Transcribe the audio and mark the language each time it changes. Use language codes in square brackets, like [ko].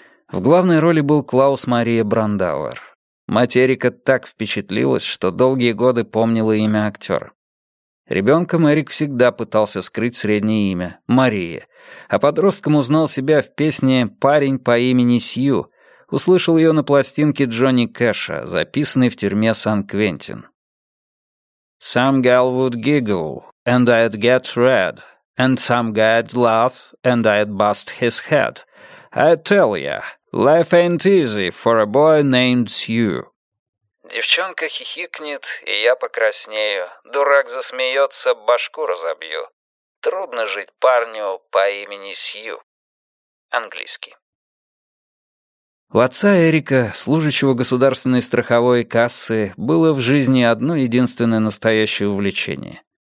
[ru] В главной роли был Клаус Мария Брандауэр. Мать Эрика так впечатлилась, что долгие годы помнила имя актера. Ребенком Эрик всегда пытался скрыть среднее имя — Мария. А подростком узнал себя в песне «Парень по имени Сью». Услышал ее на пластинке Джонни Кэша, записанной в тюрьме Сан-Квентин. [en] «Some girl would giggle, and I'd get red. And some guy'd laugh, and I'd bust his head. I tell ya, life ain't easy for a boy named Sью». [ru] «Девчонка хихикнет, и я покраснею. Дурак засмеется, башку разобью. Трудно жить парню по имени Сью». Английский. У отца Эрика, служащего государственной страховой кассы, было в жизни одно единственное настоящее увлечение.